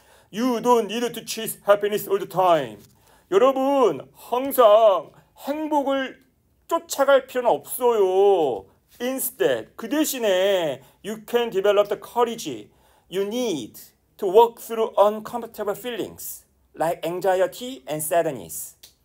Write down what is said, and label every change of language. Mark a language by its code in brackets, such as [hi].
[en] You don't need to choose happiness all the time. [ko] 여러분, 항상 행복을 쫓아갈 필요는 없어요. [en] Instead, [ko] 그 대신에 [en] you can develop the courage you need to walk through uncomfortable feelings like anxiety and sadness.